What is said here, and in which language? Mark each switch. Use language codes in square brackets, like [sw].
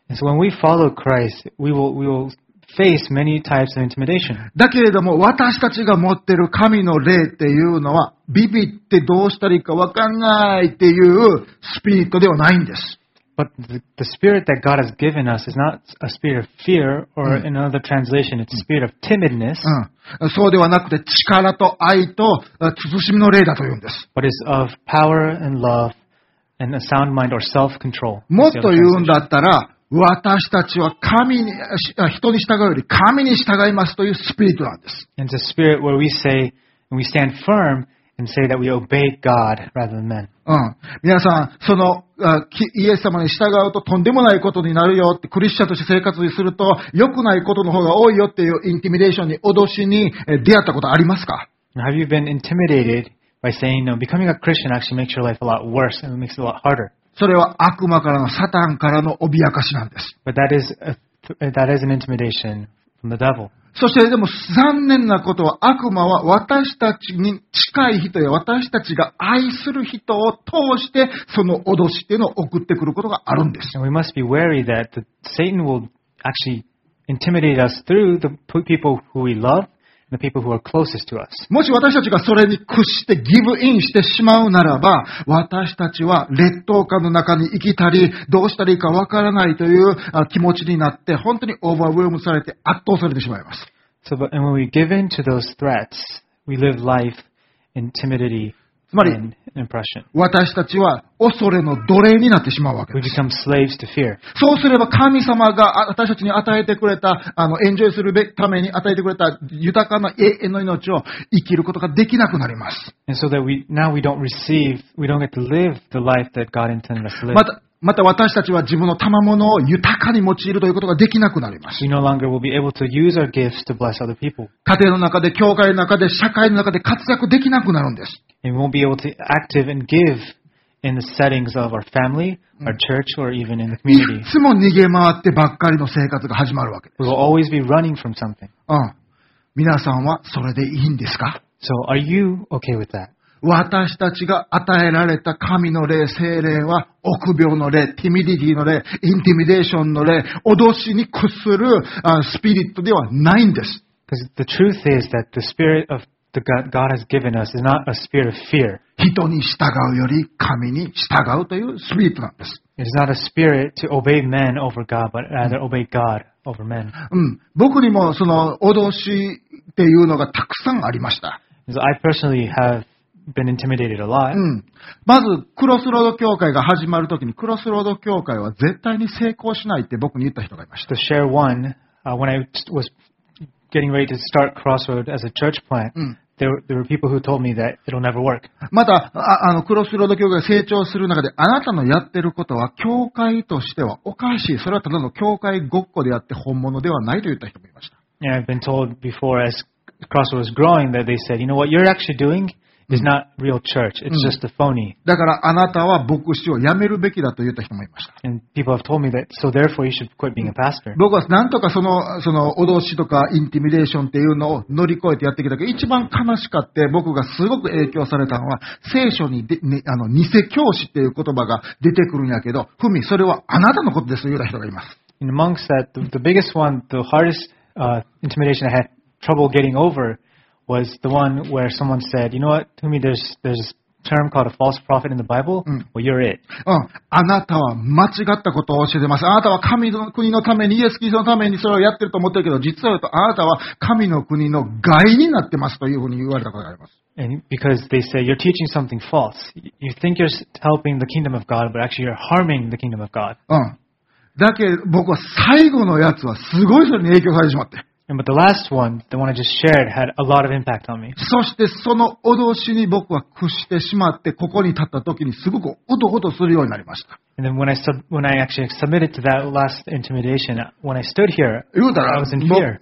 [en] And so when we follow Christ, we will face many types of intimidation. [ja] だけれども私たちが持っている神の霊っていうのはビビってどうしたらいいかわかんないっていうスピリットではないんです。 [en] But the spirit that God has given us is not a spirit of fear, or in another translation, it's a spirit of timidness. [ja] そうではなくて力と愛と慎みの霊だというんです。 [en] But it's of power and love and a sound mind or self-control. [ja] もっと言うんだったら、私たちは神に、人に従うより神に従いますというスピリットなんです。 [en] It's a spirit where we say and we stand firm. And say that we obey God rather than men. [ja] 皆さん、その、イエス様に従うととんでもないことになるよって、クリスチャンとして生活にすると、良くないことの方が多いよっていうインティミデーションに、脅しに、出会ったことありますか? [en] Have you been intimidated by saying no? Becoming a Christian actually makes your life a lot worse and makes it a lot harder. [ja] それは悪魔からの、サタンからの脅かしなんです。 [en] But that is an intimidation from the devil. [ja] そしてでも残念なことは悪魔は私たちに近い人や私たちが愛する人を通してその脅しというのを送ってくることがあるんです。 [en] We must be wary that Satan will actually intimidate us through the people who we love, the people who are closest to us. [ja] もし私たちがそれに屈してギブインしてしまうならば、私たちは劣等感の中に生きたり、どうしたらいいかわからないという気持ちになって、本当にオーバーウェルムされて圧倒されてしまいます。 [en] So, but, and when we give in to those threats, we live life in timidity and impression. [ja] つまり、私たちは恐れの奴隷になってしまうわけです。 [en] We become slaves to fear. [ja] そうすれば神様が私たちに与えてくれた、エンジョイするために与えてくれた豊かな永遠の命を生きることができなくなります。 [en] And so that now we don't receive, we don't get to live the life that God intended us to live. [ja] また私たちは自分の賜物を豊かに用いるということができなくなります。 [en] We no longer will be able to use our gifts to bless other people. [ja] 家庭の中で、教会の中で、社会の中で活躍できなくなるんです。 [en] And we won't be able to active and give in the settings of our family, our church, or even in the community. [ja] いつも逃げ回ってばっかりの生活が始まるわけです。 [en] We will always be running from something. [ja] 皆さんはそれでいいんですか? [en] So are you okay with that? [ja] 私たちが与えられた神の霊、聖霊は臆病の霊、ティミディティの霊、インティミデーションの霊、脅しに屈するスピリットではないんです。 [en] Because the truth is that the spirit of the God has given us is not a spirit of fear. [ja] 人に従うより神に従うというスピリットなんです。 [en] It's not a spirit to obey men over God, but rather obey God over men. [ja] 僕にもその脅しっていうのがたくさんありました。 [en] So、I personally haveBeen intimidated a lot. [ja] まずクロスロード教会が始まるときに、クロスロード教会は絶対に成功しないって僕に言った人がいました。 [en] The share one, when I was getting ready to start Crossroad as a church plant, there were people who told me that it'll never work. [ja] また、クロスロード教会が成長する中で、あなたのやってることは教会としてはおかしい。それはただの教会ごっこであって本物ではないと言った人もいました。 [en] Yeah, I've been told before as Crossroad was growing that they said, you know what you're actually doing? It's not real church. It's just a phony. [ja] だからあなたは牧師を辞めるべきだと言った人もいました。 [en] And people have told me that, so therefore you should quit being a pastor. [ja] 僕はなんとかその脅しとかインティミデーションっていうのを乗り越えてやってきたけど、一番悲しかって僕がすごく影響されたのは、聖書に偽教師っていう言葉が出てくるんやけど、フミ、それはあなたのことですと言った人がいます。 [en] And amongst that, the biggest one, the hardest, intimidation I had trouble getting over,was the one where someone said, you know what, to me there's this term called a false prophet in the Bible, well you're it. [ja] あなたは間違ったことを教えてます。あなたは神の国のために、イエス・キリストのためにそれをやってると思ってるけど、実は言うとあなたは神の国の害になってますというふうに言われたことがあります。 [en] And because they say you're teaching something false. You think you're helping the kingdom of God, but actually you're harming the kingdom of God. [ja] だけど僕は最後のやつはすごいそれに影響されてしまって。 [en] But the last one, the one I just shared, had a lot of impact on me. [ja] そしてその脅しに僕は屈してしまって、ここに立った時にすごくおどおどするようになりました。 [en] And then when I actually submitted to that last intimidation, when I stood here, I was in fear.